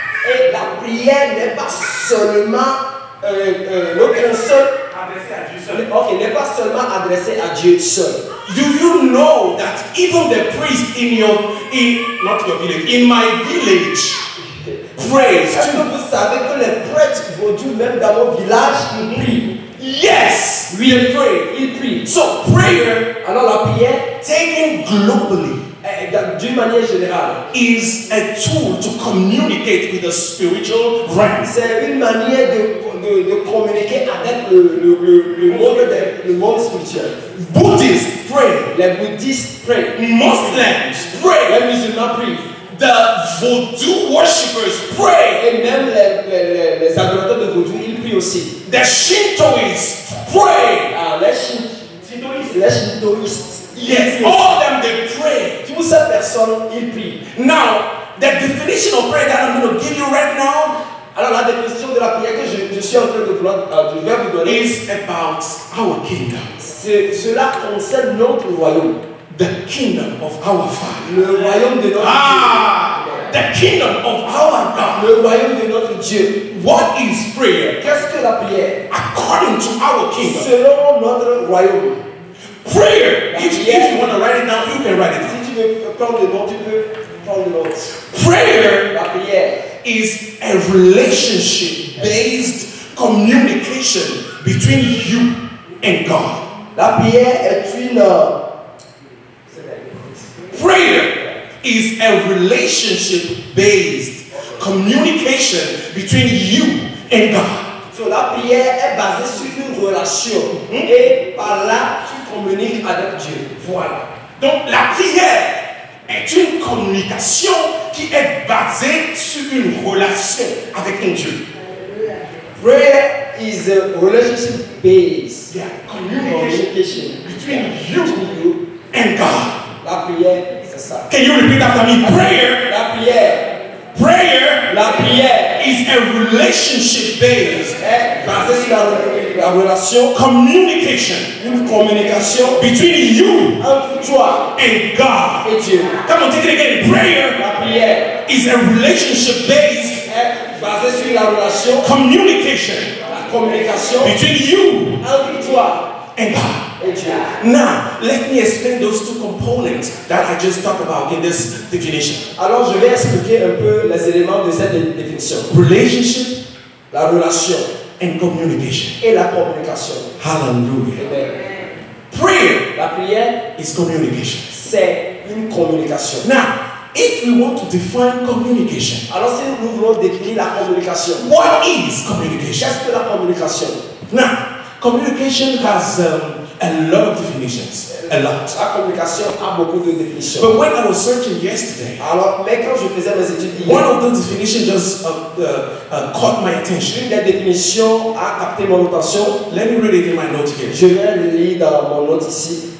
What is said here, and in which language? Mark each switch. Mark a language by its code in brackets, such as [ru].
[fr] Et la prière n'est pas seulement Okay, n'est pas seulement adressé à Dieu seul. [en] Do you know that even the priest in my village prays? [fr] Est-ce que vous savez que les prêtres vaudous même dans mon village prient? [en] Yes, we pray. We pray. So prayer, [fr] alors la prière, [en] taken globally, [fr] d'une manière générale, [en] is a tool to communicate with the spiritual realm. [fr] C'est une manière de communiquer avec le monde spirituel. [en] Buddhists pray. [fr] Les bouddhistes [en] pray. Muslims pray. [fr] Les musulmans prient. [en] The voodoo worshippers pray. [fr] Et même les adorateurs de voodoo, ils prient aussi. [en] The Shintoists pray. [fr] Ah, les Shintoists. [en] Yes, all them they pray. [fr] Toutes ces personnes, ils prient. [en] Now, the definition of prayer that I'm going to give you right now. [fr] Alors la définition de la prière que je suis en train de vous donner. [en] Is about our kingdom. [fr] Cela concerne notre royaume. [en] The kingdom of our Father. [fr] Le royaume de notre Dieu. [en] The kingdom of our God. [fr] Le royaume de notre Dieu. [en] What is prayer? [fr] Qu'est-ce que la prière? [en] According to our kingdom. [fr] Selon notre royaume. [en] Prayer. If you want to write it down, you can write it. [fr] Si tu veux prendre le note, tu peux prendre le note. [en] Prayer. [fr] La prière [en] is a relationship-based communication between you and God. [fr] La prière est une [en] prayer is a relationship-based communication between you and God. [fr] So la prière est basée sur une relation et par là tu communiques avec Dieu. Voilà. Donc la prière est une communication qui est basée sur une relation avec un Dieu. [en] Prayer is a relationship based. Yeah, communication between you and God. [fr] La prière, c'est ça. [en] Can you repeat after me? Prayer. [fr] La prière. [en] Prayer. [fr] La prière [en] is a relationship based. [fr] Basée sur la relation. [en] Communication. [fr] Une communication [en] between you [fr] entre toi [en] and God. [fr] Et Dieu. [en] Come on, take it again. Prayer. [fr] La prière [en] is a relationship based. [fr] Basée sur la relation. [en] Communication. [fr] La communication [en] between you [fr] entre toi [en] and God. Now, let me explain those two components that I just talked about in this definition. [fr] Alors, je vais expliquer un peu les éléments de cette définition. [en] Relationship, [fr] la relation, [en] and communication. [fr] Et la communication. [en] Hallelujah. Amen. Prayer, [fr] la prière, [en] is communication. [fr] C'est une communication. [en] Now, if we want to define communication, [fr] alors si nous voulons définir la communication, [en] what is communication? [fr] Qu'est-ce que la communication? [en] Now, communication has a lot of definitions. A lot. [fr] La communication a beaucoup de définitions. [en] But when I was searching yesterday, one of the definitions just caught my attention. [fr] Une des définitions a capté mon attention. [en] Let me read it in my note here. [fr] Je vais le lire dans mon note ici.